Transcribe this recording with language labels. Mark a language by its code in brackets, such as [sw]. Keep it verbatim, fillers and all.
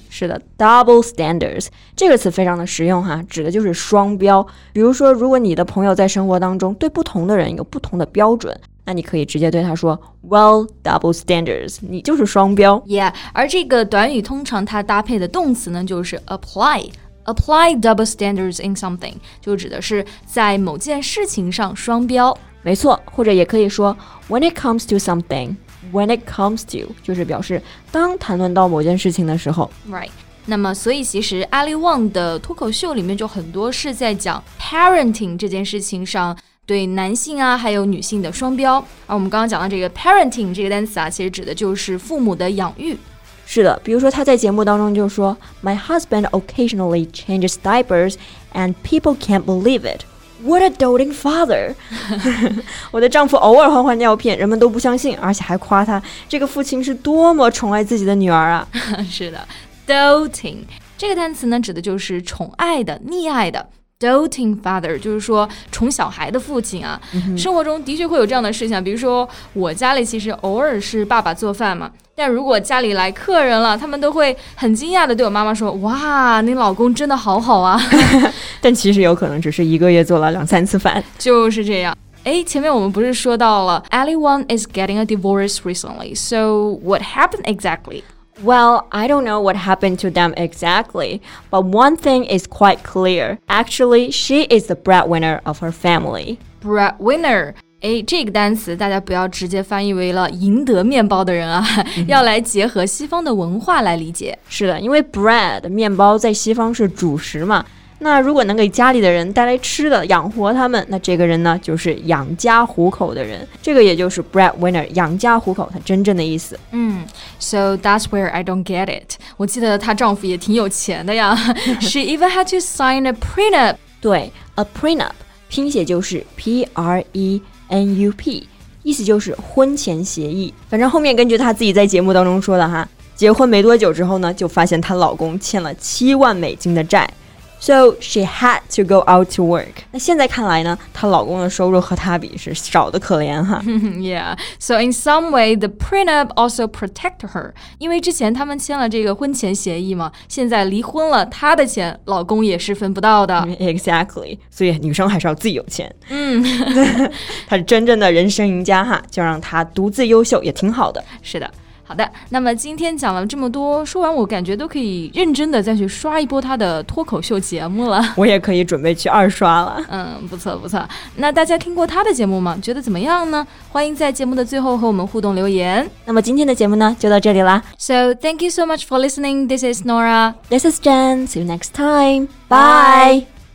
[zh] 是的 double standards 这个词非常的实用哈，指的就是双标。比如说，如果你的朋友在生活当中对不同的人有不同的标准，那你可以直接对他说 [en] well, double standards [zh] 你就是双标。 Yeah, 而这个短语通常它搭配的动词呢就是 [en] apply apply double standards in something [zh] 就指的是在某件事情上双标。没错，或者也可以说 [en] when it comes to [zh] something when it comes to 就是表示当谈论到某件事情的时候。 Right， 那么所以其实艾利旺的脱口秀里面就很多是在讲 parenting 这件事情上对男性啊还有女性的双标。而我们刚刚讲到这个 parenting 这个单词啊，其实指的就是父母的养育。是的，比如说他在节目当中就说 [en] My husband occasionally changes diapers and people can't believe it. What a doting father. [zh] 我的丈夫偶尔换换尿片，人们都不相信，而且还夸他这个父亲是多么宠爱自己的女儿啊。是的， doting 这个单词呢指的就是宠爱的溺爱的。 Doting father 就是说宠小孩的父亲啊、嗯、生活中的确会有这样的事情，比如说我家里其实偶尔是爸爸做饭嘛，但如果家里来客人了，他们都会很惊讶的对我妈妈说，哇，你老公真的好好啊。但其实有可能只是一个月做了两三次饭，就是这样。诶，前面我们不是说到了 [en] Ali Wong is getting a divorce recently, so what happened exactly? Well, I don't know what happened to them exactly, but one thing is quite clear. Actually, she is the breadwinner of her family. [zh] Breadwinner, 诶，这个单词大家不要直接翻译为了赢得面包的人啊，要来结合西方的文化来理解。是的，因为 bread 面包在西方是主食嘛，那如果能给家里的人带来吃的养活他们，那这个人呢就是养家糊口的人，这个也就是 breadwinner 养家糊口它真正的意思。 [en] 嗯 So that's where I don't get it. [zh] 我记得她丈夫也挺有钱的呀。 [en] She even had to sign a prenup. [zh] 对 a prenup 拼写就是 P R E N U P 意思就是婚前协议。反正后面根据她自己在节目当中说的哈，结婚没多久之后呢就发现她老公欠了七万美金的债， [en] So she had to go out to work. [zh] 那现在看来呢，她老公的收入和她比是少得可怜哈。 [en] Yeah. So in some way, the prenup also protected her. [zh] 因为之前他们签了这个婚前协议嘛，现在离婚了，她的钱老公也是分不到的。 [en] Exactly. [zh] 所以女生还是要自己有钱。嗯，她是真正的人生赢家哈，就让她独自优秀也挺好的。是的。好的，那么今天讲了这么多，说完我感觉都可以认真的再去刷一波他的脱口秀节目了。我也可以准备去二刷了。嗯，不错不错。那大家听过他的节目吗？觉得怎么样呢？欢迎在节目的最后和我们互动留言。那么今天的节目呢，就到这里啦。 [en] So thank you so much for listening. This is Nora. This is Jen. See you next time. Bye. Bye.